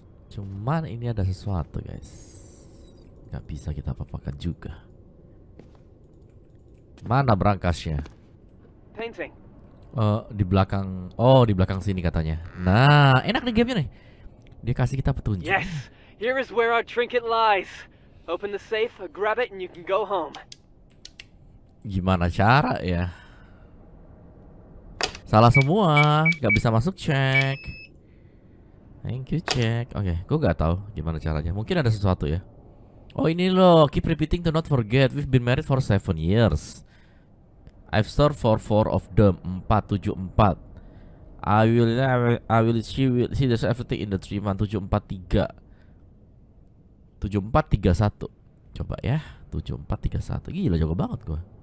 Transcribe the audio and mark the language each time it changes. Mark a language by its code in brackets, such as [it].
[id] Cuman ini ada sesuatu, guys. Enggak bisa kita apa-apakan juga. Mana brankasnya? Di belakang. Oh, di belakang sini katanya. Nah, enak nih game-nya nih. Dia kasih kita petunjuk. [en] Yes. Here is where our trinket lies. Open the safe, grab it and you can go home. [id] Gimana cara ya? Salah semua, enggak bisa masuk, check. [en] Thank you, check. [id] Oke, okay. Gua enggak tahu gimana caranya. Mungkin ada sesuatu ya. Oh, ini loh. [en] Keep repeating to not forget we've been married for 7 years. I've served for 4 of them. 474. I will see this everything in the 3 months 7 4 3. [id] 7 4 3 1. Coba ya, 7 4 3 1. Gila, jago banget gua.